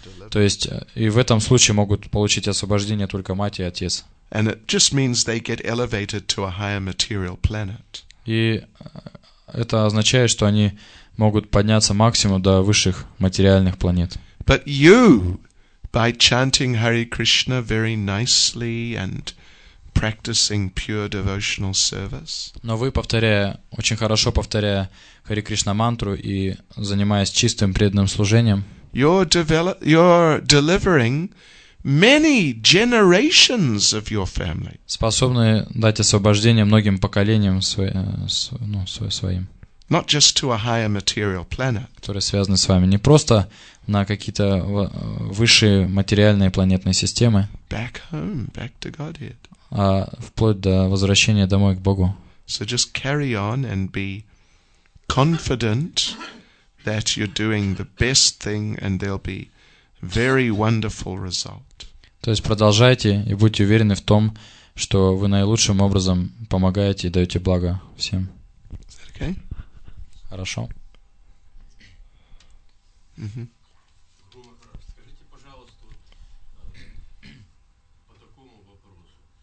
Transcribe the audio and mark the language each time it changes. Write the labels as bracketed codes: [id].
[ru] То есть и в этом случае могут получить освобождение только мать и отец. [en] And it just means they get elevated to a higher material planet. [ru] И это означает, что они могут подняться максимум до высших материальных планет. [en] But you, by chanting Hare Krishna very nicely and practicing pure devotional service. [ru] Но вы, повторяя, очень хорошо повторяя Хари Кришна мантру и занимаясь чистым преданным служением, [en] You're delivering many generations of your family. [ru] Способны дать освобождение многим поколениям своим. [en] Not just to a higher material planet. [ru] Которые связаны с вами не просто на какие-то высшие материальные планетные системы. [en] Back home, back to Godhead. [ru] А вплоть до возвращения домой к Богу. [en] So just carry on and be confident that you're doing the best thing and there'll be very wonderful result. [ru] То есть продолжайте и будьте уверены в том, что вы наилучшим образом помогаете и даете благо всем. [en] Is that okay? [ru] Хорошо. Скажите, пожалуйста, по такому вопросу.